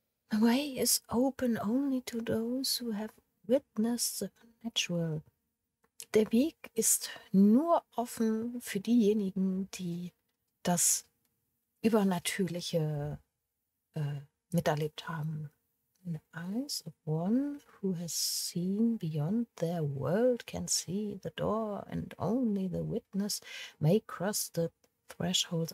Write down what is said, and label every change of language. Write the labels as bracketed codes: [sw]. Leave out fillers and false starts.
[en] The way is open only to those who have witnessed the natural. [de] Der Weg ist nur offen für diejenigen, die das Übernatürliche miterlebt haben. [en] The eyes of one who has seen beyond their world can see the door and only the witness may cross the thresholds.